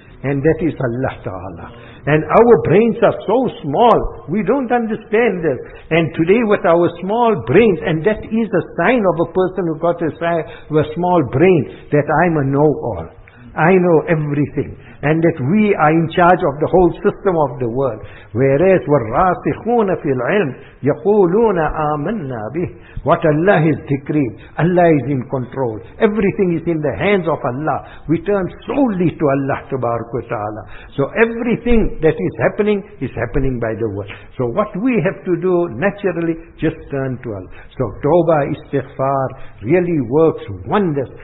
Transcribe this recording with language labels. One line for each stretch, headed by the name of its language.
English: And that is Allah Ta'ala. And our brains are so small, we don't understand this. And today with our small brains, and that is a sign of a person who got a small brain, that I'm a know-all. I know everything. And that we are in charge of the whole system of the world. Whereas,
Arabic: وَالرَّاسِخُونَ فِي الْعِلْمِ يَقُولُونَ آمَنَّا بِهِ.
English: What Allah has decreed, Allah is in control. Everything is in the hands of Allah. We turn solely to Allah Tabaraka wa Ta'ala. So everything that is happening by the word. So what we have to do naturally, just turn to Allah. So Tawbah, Istighfar really works wonders.